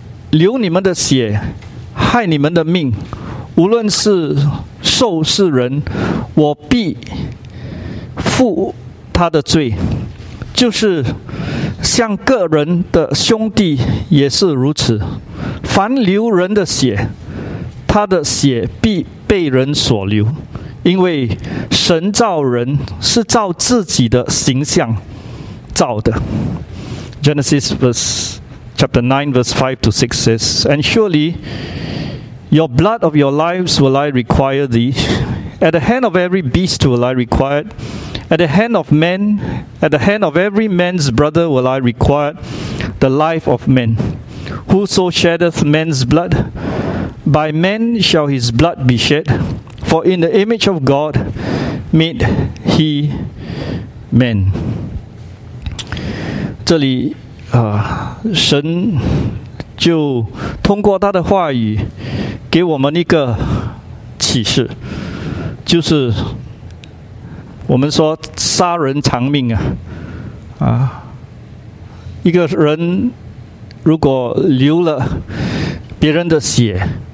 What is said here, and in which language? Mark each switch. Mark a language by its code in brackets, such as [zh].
[zh] 流你们的血害你们的命，无论是兽是人，我必负他的罪，就是像个人的兄弟也是如此，凡流人的血，他的血必被人所流，因为神造人是照自己的形象造的。 [en] Genesis verse chapter 9 verse 5 to 6 says, And surely your blood of your lives will I require thee, at the hand of every beast will I require it, at the hand of men, at the hand of every man's brother will I require the life of men. Whoso sheddeth man's blood, by man shall his blood be shed, for in the image of God made he man. [zh] 这里神就通过他的话语给我们一个启示，就是我们说杀人偿命一个人如果流了别人的血